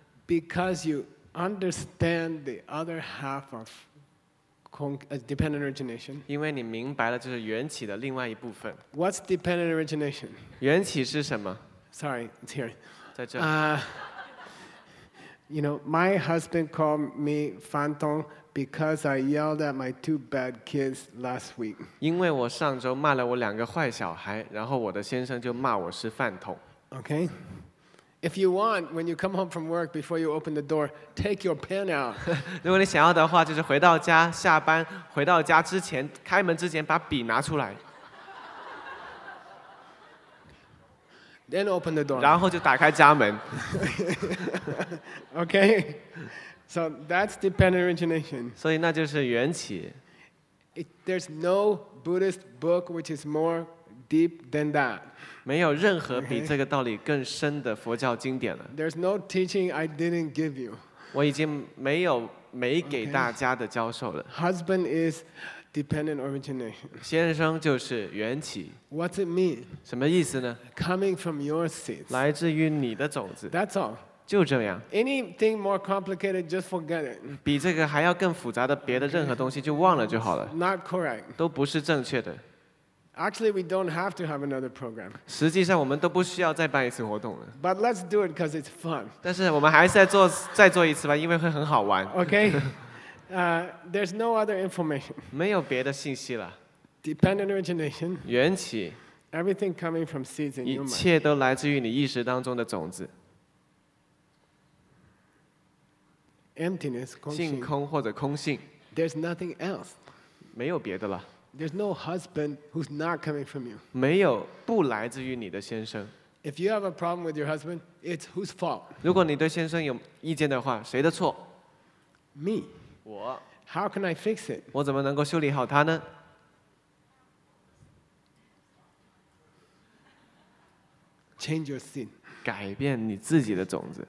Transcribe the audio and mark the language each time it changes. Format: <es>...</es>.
<en>？Because you understand the other half of dependent origination.</en> <zh>因为你明白了，就是缘起的另外一部分。</zh> <en>What's dependent origination?</en> <zh>缘起是什么</zh> <en>？Sorry, it's here.</en> <zh>在这。</zh> <en>You know, my husband called me Phantom because I yelled at my two bad kids last week.</en> <zh>因为我上周骂了我两个坏小孩，然后我的先生就骂我是饭桶。</zh> <en>Okay. If you want, when you come home from work, before you open the door, take your pen out.</en> <zh>如果你想要的话，就是回到家，下班回到家之前，开门之前把笔拿出来。</zh> <en>Then open the door.</en> <zh>然后就打开家门。</zh> <en>Okay, so that's dependent origination.</en> <zh>所以那就是缘起。</zh> <en>There's no Buddhist book which is more deep than that.</en> <zh>没有任何比这个道理更深的佛教经典了。</zh> <en>There's no teaching I didn't give you.</en> <zh>我已经没有没给大家的教授了。</zh> <en>Husband is dependent origination.</en> <zh>先生就是缘起。</zh> <en>What's it mean?</en> <zh>什么意思呢</zh> <en>？Coming from your seeds.</en> <zh>来自于你的种子。</zh> <en>That's all.</en> <zh>就这样。</zh> <en>Anything more complicated, just forget it.</en> <zh>比这个还要更复杂的别的任何东西就忘了就好了。</zh> <en>Not correct.</en> <zh>都不是正确的。</zh> <en>Actually, we don't have to have another program.</en> <zh>实际上我们都不需要再办一次活动了。</zh> <en>But let's do it because it's fun.</en> <zh>但是我们还是再做一次吧，因为会很好玩。</zh> <en>Okay. There's no other information.</en> <zh>没有别的信息了。</zh> <en>Dependent origination.</en> <zh>缘起。</zh> <en>Everything coming from seeds in your mind.</en> <zh>一切都来自于你意识当中的种子。</zh> <en>Emptiness,</en> <zh>性空或者空性。</zh> <en>There's nothing else.</en> <zh>没有别的了。</zh> <en>There's no husband who's not coming from you.</en> <zh>没有不来自于你的先生。</zh> <en>If you have a problem with your husband, it's whose fault?</en> <zh>如果你对先生有意见的话，谁的错？</zh> <en>Me.</en> <zh>我。</zh> <en>How can I fix it?</en> <zh>我怎么能够修理好他呢？</zh> <en>Change your sin.</en> <zh>改变你自己的种子。</zh>